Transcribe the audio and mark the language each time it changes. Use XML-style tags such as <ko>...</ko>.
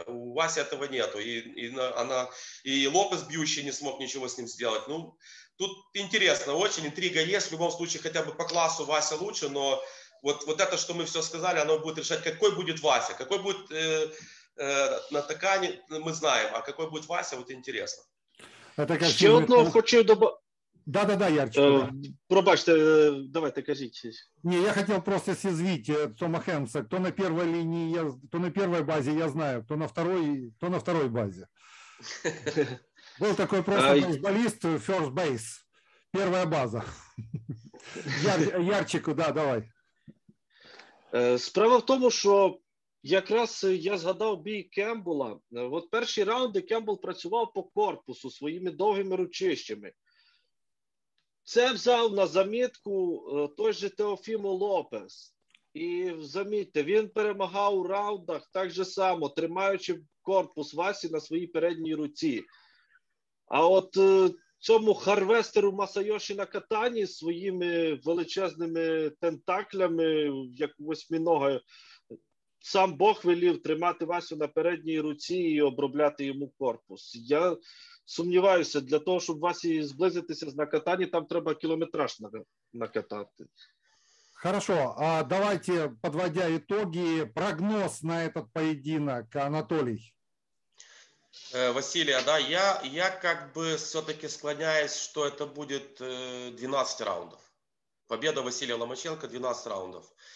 <ru>У Васи этого нету. И Лопес бьющий не смог ничего с ним сделать. Ну, тут интересно, очень интрига есть. В любом случае, хотя бы по классу Вася лучше, но Вот это, что мы все сказали, оно будет решать, какой будет Вася, какой будет Натакани, мы знаем, а какой будет Вася, вот интересно.</ru> <uk>Ще одного хочу добавити. Да, Ярче. Пробачте, давайте, кажіть. Ні, я хотів просто зізвіти Тома Хемса, хто на першій лінії, хто на першій базі, я знаю, хто на второй базі. Був такий просто бейсболіст,</uk> <en>first base,</en> <uk>перша база. Ярчику, да, давай. Справа в тому, що якраз я згадав бій Кэмпбелла. От перші раунди Кэмпбелл працював по корпусу своїми довгими ручищами. Це взяв на замітку той же Теофімо Лопес. І замітьте, він перемагав у раундах так же само, тримаючи корпус Васі на своїй передній руці. А от цьому харвестеру Масаёши Накатані своїми величезними тентаклями, як восьмінога, сам Бог велів тримати Васю на передній руці і обробляти йому корпус. Я сумніваюся, для того, щоб Васі зблизитися з Накатані, там треба кілометраж накатати.</uk> <ru>Хорошо, а давайте, подводя итоги, прогноз на этот поединок, Анатолий. Василий, да, я как бы все-таки склоняюсь, что это будет 12 раундов. Победа Василия Ломаченко, 12 раундов.</ru>